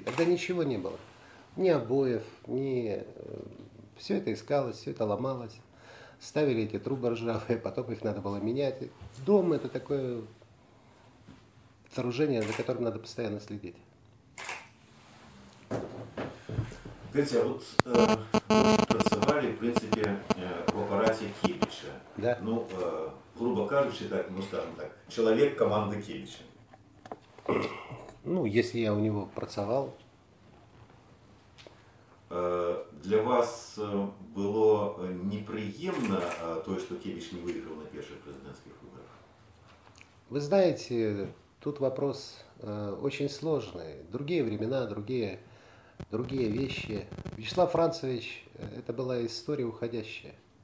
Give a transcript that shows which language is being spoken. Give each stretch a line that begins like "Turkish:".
Russian: Тогда ничего не было, ни обоев, ни... Все это искалось, все это ломалось. Ставили эти трубы ржавые, потом их надо было менять. Дом это такое сооружение, за которым надо постоянно следить. Катя, вот...
Ukrainian: Працювали, в принципі, в апараті Кебіча. Да. Ну, грубо кажучи, так, ну, скажем так, чоловік команди Кебіча. Ну, якщо я у нього працював. Для вас було неприємно то, що Кебіч не виграв на перших президентських виборах? Ви знаєте,
Russian: тут вопрос очень сложный. Другие времена, другие вещи. Вячеслав Францевич, это была история уходящая.